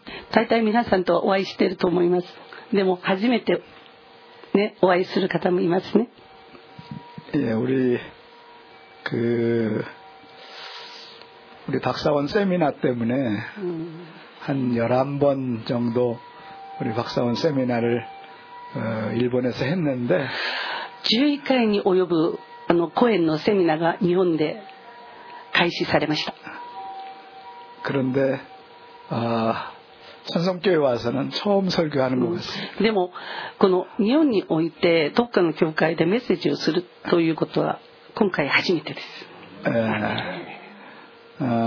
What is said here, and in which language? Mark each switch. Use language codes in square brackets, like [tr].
[ja] 大体皆さんとお会いしていると思います。でも初めて、ね、お会いする方もいますね。 [ko] 예우리그우리박사원세미나때문에한11번정도우리박사원세미나를일본에서했는데 [ja] 11회に及ぶあの講演のセミナーが日本で開始されました。 [ko] 그런데천성교회와서는처음설교하는것같습니다。 [ja] でもこの日本においてどっかの教会でメッセージをするということは今回初めてです。